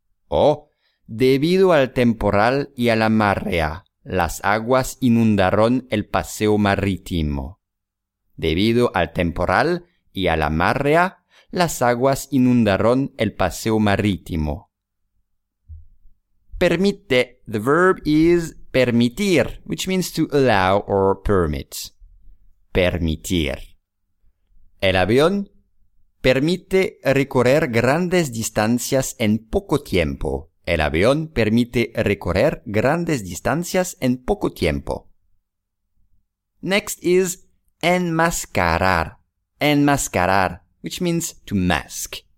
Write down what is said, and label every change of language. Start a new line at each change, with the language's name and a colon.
Spanish: O, debido al temporal y a la marea, las aguas inundaron el paseo marítimo. Debido al temporal y a la marea, las aguas inundaron el paseo marítimo. Permite.
English: The verb is permitir, which means to allow or permit.
Spanish: Permitir. El avión permite recorrer grandes distancias en poco tiempo. El avión permite recorrer grandes distancias en poco tiempo.
English: Next is enmascarar. Enmascarar, which means to mask.